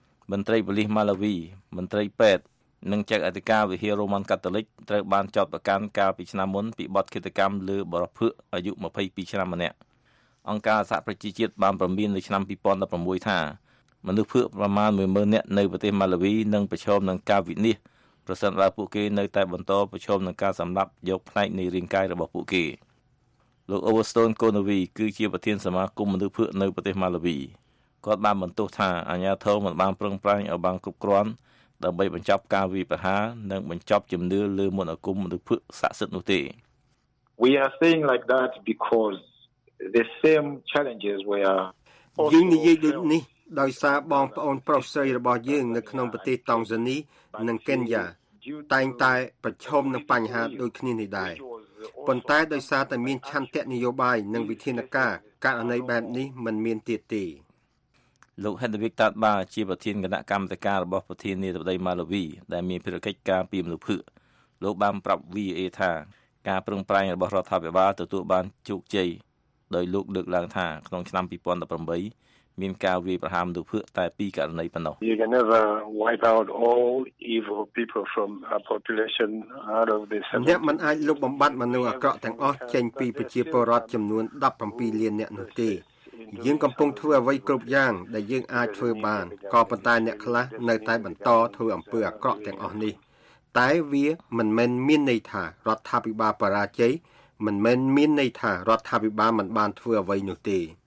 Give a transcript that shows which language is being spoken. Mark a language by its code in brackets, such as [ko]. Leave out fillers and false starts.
[km] មន្ត្រីប៉ូលីសម៉ាឡាវីមន្ត្រីពេទ្យនិងចៅអធិការវិហាររ៉ូម៉ាន់កាតូលិកត្រូវបានចោទប្រកាន់កាលពីឆ្នាំមុនពីបទឃាតកម្មលើបុរសភក់អាយុ22ឆ្នាំម្នាក់អង្គការសហប្រជាជាតិបានប្រមាណនៅឆ្នាំ2016ថាមនុស្សភក់ប្រមាណ 10,000 នាក់នៅប្រទេសម៉ាឡាវីនឹងប្រឈមនឹងការវិនាសប្រសិនបើពួកគេនៅតែបន្តប្រឈមនឹងការសម្លាប់យកផ្នែកនៃរាងកាយរបស់ពួកគេ លោក Overstone Konavi គឺជាប្រធានសមាគមមនុស្សភក់នៅប្រទេសម៉ាឡាវីគាត់បានបន្ទោសថាអាញាធិបតេយ្យមិនបានប្រឹងប្រែងឲ្យបានគ្រប់គ្រាន់ដើម្បីបញ្ចប់ការវាយប្រហារនិងបញ្ចប់ជំនឿលើមន្តអាគមមនុស្សភក់ស័ក្តិសិទ្ធិនោះទេ [en] We are saying like that because the same challenges we are [km] យើងនិយាយដូចនេះដោយសារបងប្អូនប្រុសស្រីរបស់យើងនៅក្នុងប្រទេសតង់ហ្សានីនិងកេនយ៉ាតែងតែប្រឈមនឹងបញ្ហាដូចគ្នានេះដែរប៉ុន្តែដោយសារតែមានឆន្ទៈនយោបាយនិងវិធានការករណីបែបនេះមិនមានទៀតទេ លោក Hendrik Tatba ជាប្រធានគណៈកម្មការរបស់ប្រធានាធិបតីម៉ាឡាវីដែលមានភារកិច្ចការពារមនុស្សភក់លោកបានប្រាប់ VA ថាការប្រឹងប្រែងរបស់រដ្ឋាភិបាលទទួលបានជោគជ័យដោយលោកលើកឡើងថាក្នុងឆ្នាំ2018មានការវាយប្រហារមនុស្សភក់តែ2ករណីប៉ុណ្ណោះ [en] You can never wipe out all evil people from a population out of this [km] អ្នកមិនអាចលុបបំបាត់មនុស្សអាក្រក់ទាំងអស់ចេញពីប្រជាពលរដ្ឋចំនួន17លាននាក់នោះទេយើងកំពុងធ្វើអ្វីគ្រប់យ៉ាងដែលយើងអាចធ្វើបានក៏ប៉ុន្តែអ្នកខ្លះនៅតែបន្តធ្វើអំពើអាក្រក់ទាំងអស់នេះ តែវាមិនមែនមានន័យថារដ្ឋាភិបាលបរាជ័យមិនមែនមានន័យថារដ្ឋាភិបាលមិនបានធ្វើអ្វីនោះទេ